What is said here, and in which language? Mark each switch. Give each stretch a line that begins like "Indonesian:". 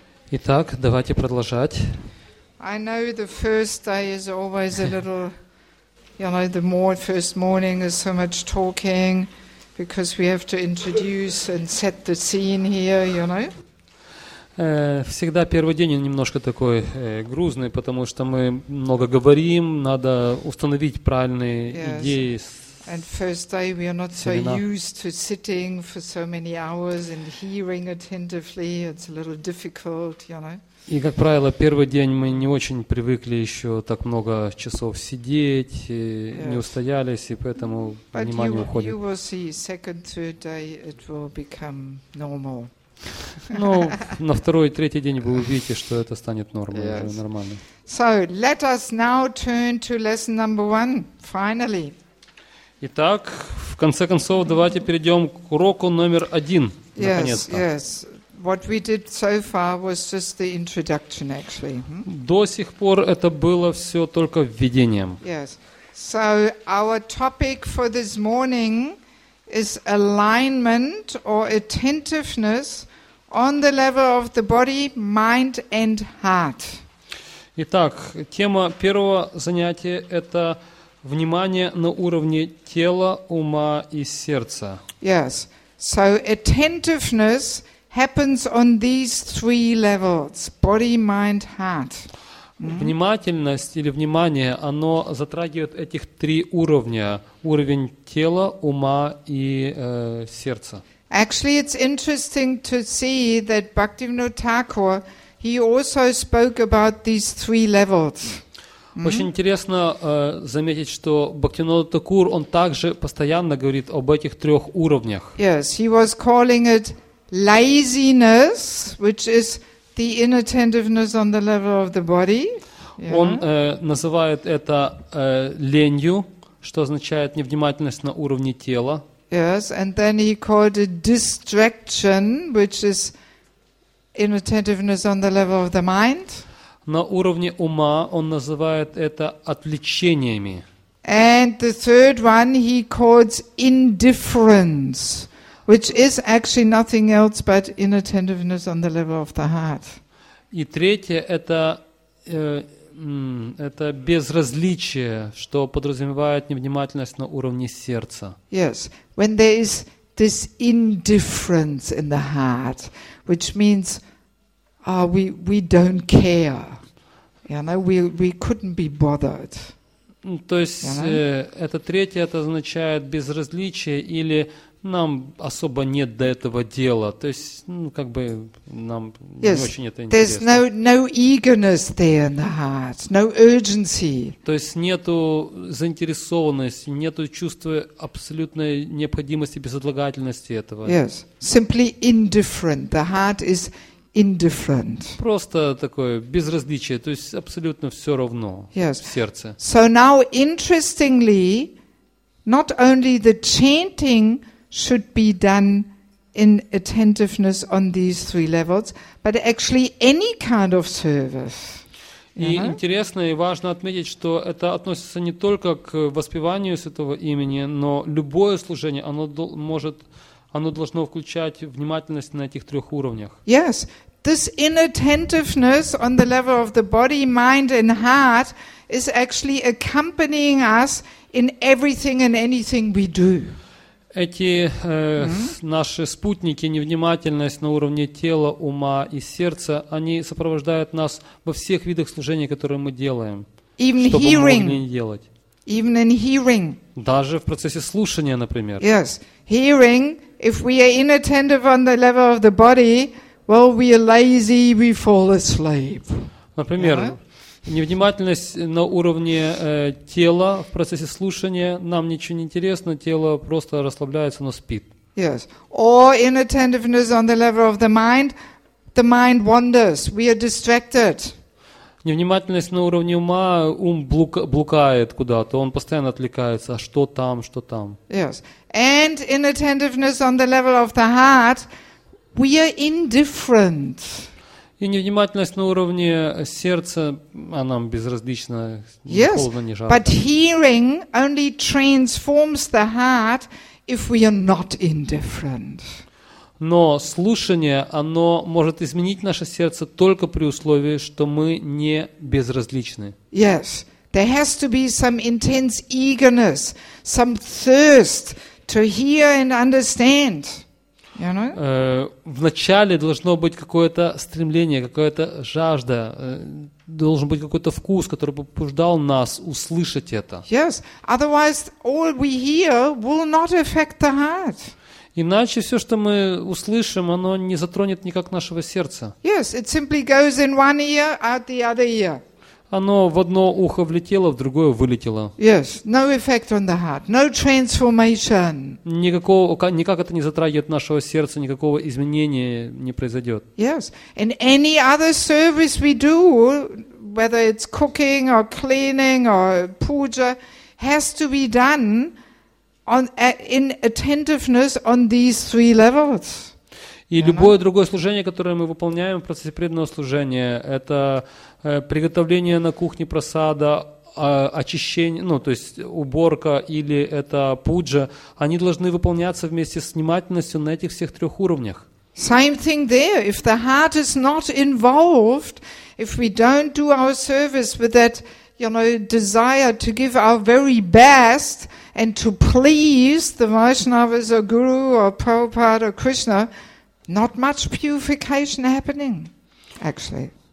Russian: Итак, давайте продолжать.
English: I know the first day is always a little, you know, the more first morning is so much talking because we have to introduce and set the scene here, you know.
Russian: Всегда первый день немножко такой грузный, потому что мы много говорим, надо установить правильные идеи.
English: And first day we are not so used to sitting for so many hours and hearing attentively. It's a little difficult, you know.
Russian: И, как правило, первый день мы не очень привыкли еще так много часов сидеть, и не устоялись, и поэтому внимание уходит.
English: But you will see, second, third day it will become normal.
Russian: Ну, на второй и третий день вы увидите, что это станет нормой, уже нормально.
English: So, let us now turn to lesson number one, finally.
Russian: Итак, в конце концов, давайте перейдем к уроку номер один, наконец-то.
English: Yes, yes. What we did so far was just the introduction, actually.
Russian: До сих пор это было все только введением.
English: Yes. So our topic for this morning is alignment or attentiveness on the level of the body, mind and heart.
Russian: Итак, тема первого занятия это внимание на уровне тела, ума и сердца.
English: Yes. So attentiveness happens on these three levels: body, mind, heart.
Russian: Внимательность или внимание, оно затрагивает этих три уровня: уровень тела, ума и сердца.
English: Actually, it's interesting to see that Bhaktivinoda Thakur, he also spoke about these three levels.
Russian: Очень интересно заметить, что Бхактивинода Такур, он также постоянно говорит об этих трех уровнях.
English: Yes, he was calling it laziness, which is the inattentiveness on the level of the body. Yeah.
Russian: Он называет это ленью, что означает невнимательность на уровне тела.
English: Yes, and then he called it distraction, which is inattentiveness on the level of the mind.
Russian: На уровне ума он называет это отвлечениями.
English: And the third one he calls indifference, which is actually nothing else but inattentiveness on the level of the heart.
Russian: И третье это это безразличие, что подразумевает невнимательность на уровне сердца.
English: Yes, when there is this indifference in the heart, which means we don't care. You know, we couldn't be bothered.
Russian: То есть это третье, это означает безразличие или нам особо нет до этого дела. То есть, ну, как бы нам не очень это интересно.
English: There's no eagerness there in the heart, no urgency.
Russian: То есть нету заинтересованности, нету чувства абсолютной необходимости, безотлагательности этого.
English: Yes, simply indifferent. The heart is indifferent.
Russian: Просто такое безразличие, то есть абсолютно все равно в сердце.
English: So now, interestingly, not only the chanting should be done in attentiveness on these three levels, but actually any kind of service.
Russian: И интересно и важно отметить, что это относится не только к воспеванию Святого Имени, но любое служение, оно может... Оно должно включать внимательность на этих трех уровнях.
English: Yes, this inattentiveness on the level of the body, mind and heart is actually accompanying us in everything and anything we do.
Russian: Эти наши спутники, невнимательность на уровне тела, ума и сердца, они сопровождают нас во всех видах служения, которые мы делаем,
English: even
Russian: чтобы
English: hearing,
Russian: мы могли не делать.
English: Even in hearing.
Russian: Даже в процессе слушания, например.
English: Yes, hearing. If we are inattentive on the level of the body, well, we are lazy, we fall asleep.
Russian: Например, невнимательность на уровне тела в процессе слушания, нам ничего не интересно, тело просто расслабляется, оно спит.
English: Yes. Or inattentiveness on the level of the mind wanders, we are distracted.
Russian: Невнимательность на уровне ума, ум блукает куда-то, он постоянно отвлекается, что там, что там.
English: Yes. And inattentiveness on the level of the heart, we are indifferent.
Russian: И невнимательность на уровне сердца, а нам безразлично, ни холодно, ни жарко.
English: But hearing only transforms the heart if we are not indifferent.
Russian: Но слушание, оно может изменить наше сердце только при условии, что мы не безразличны.
English: Yes, there has to be some intense eagerness, some thirst to hear and understand. You know?
Russian: Вначале должно быть какое-то стремление, какая-то жажда, должен быть какой-то вкус, который побуждал нас услышать это.
English: Yes, otherwise all we hear will not affect the heart.
Russian: Иначе все, что мы услышим, оно не затронет никак нашего сердца.
English: Yes, it simply goes in one ear, out the other ear.
Russian: Оно в одно ухо влетело, в другое вылетело.
English: Yes, no effect on the heart, no transformation.
Russian: Никак это не затрагивает нашего сердца, никакого изменения не произойдет.
English: Yes, and any other service we do, whether it's cooking or cleaning or puja, has to be done in attentiveness on these three levels.
Russian: И любое другое служение, которое мы выполняем в процессе преданного служения, это приготовление на кухне просада, очищение, ну, то есть уборка или это пуджа, они должны выполняться вместе с внимательностью на этих всех трех уровнях.
English: Same thing there. If the heart is not involved, if we don't do our service with that, you know, desire to give our very best and to please the Vaishnavas or Guru or Prabhupada or Krishna, not much purification happening, actually.